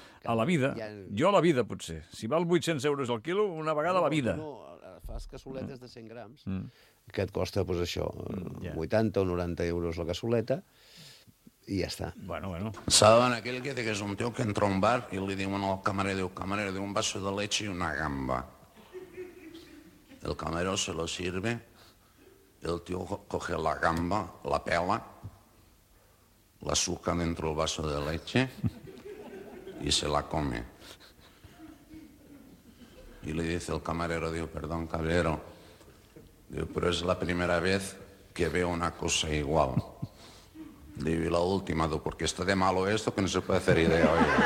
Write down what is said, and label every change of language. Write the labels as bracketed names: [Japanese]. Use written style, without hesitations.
[Catalan] A la vida. Jo a la vida, potser. Si val 800 euros el quilo, una vegada a la vida. No, fas cassoletes de 100 grams, que et costa, doncs, això, 80 o 90 euros la cassoleta, i ja està. Bueno, bueno. Saben aquell que té que és un tio que entra a un bar i li diuen al camarer, diu, camarer, diu, [Spanish] un vaso de leche [Catalan] i una gamba. [Spanish] El camarero se lo sirve, el tio coge la gamba, la pela, la suca dentro del vaso de leche i se la come. I li dice el camarero, diu, perdón, cabrero, diu, [Catalan] però és la primera [Spanish] vez que veo una cosa igual. [Catalan] Diu, i l'última, diu, perquè està [Spanish] de malo esto, que no se puede hacer idea, oi?